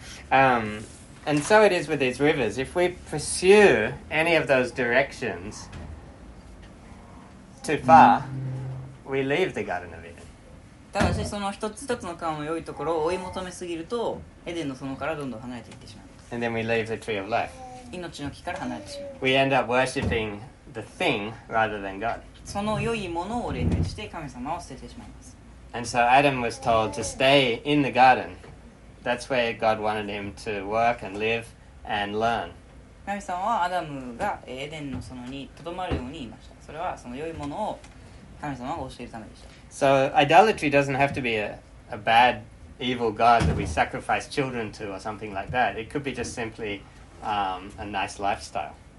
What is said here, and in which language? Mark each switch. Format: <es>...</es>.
<en>And so it is with these rivers. If we pursue any of those directions too far, we leave the Garden of Eden.</en> <ja>ただしその一つ一つの川の良いところを追い求めすぎると、エデンの園からどんどん離れていってしまいます。</ja> <en>And then we leave the Tree of Life.</en> <ja>命の木から離れてしまいます。</ja> <en>We end up worshipping the thing rather than God.</en> <ja>その良いものを礼拝して神様を捨ててしまいます。</ja> <en>And so Adam was told to stay in the garden. That's where God wanted him to work and live and learn.</en> <ja>神様はアダムがエデンの園にとどまるように言いました。それはその良いものを神様が教えるためでした。</ja> <en>So idolatry doesn't have to be a bad, evil god that we sacrifice children to or something like that. It could be just simply a nice lifestyle.</en>